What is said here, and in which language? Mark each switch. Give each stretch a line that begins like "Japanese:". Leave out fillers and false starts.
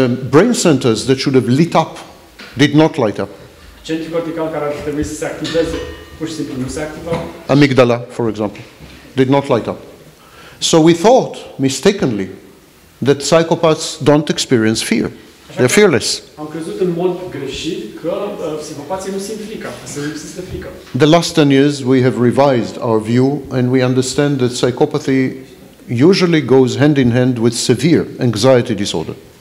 English: Brain centers that should have lit up did not light up.
Romanian: Centrul cortical care ar trebui să se activeze, pur și simplu nu se activa.
English: Amygdala, for example, did not light up. So we thought, mistakenly, that psychopaths don't experience fear. They're fearless.
Romanian: Am crezut în mod greșit că psihopații nu simt frică, să nu simtă frică.
English: The last 10 years we have revised our view and we understand that psychopathy usually goes hand in hand with severe anxiety disorder.